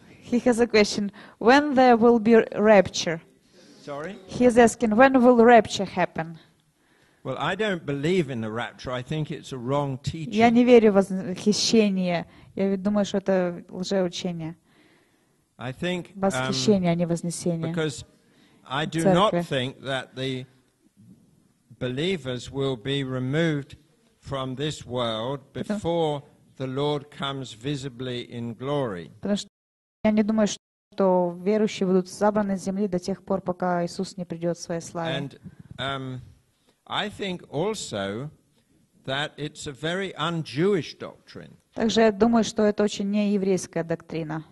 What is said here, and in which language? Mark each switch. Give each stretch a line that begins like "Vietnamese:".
English: He has a question. When there will be rapture? Sorry? He is asking, when will rapture happen? Well, I don't believe in the rapture. I think it's a wrong teaching.
Russian: Я не верю в восхищение. Я думаю, что это лжеучение.
English: I think,
Russian: восхищение, а не вознесение.
English: Because I do not think that the believers will be removed from this world before the Lord comes visibly in glory.
Russian: Потому что я не думаю, что верующие будут забраны с земли до тех пор, пока Иисус не придет в своей славе.
English: And I think also that it's a very un-Jewish doctrine.
Russian: Также я думаю, что это очень нееврейская доктрина.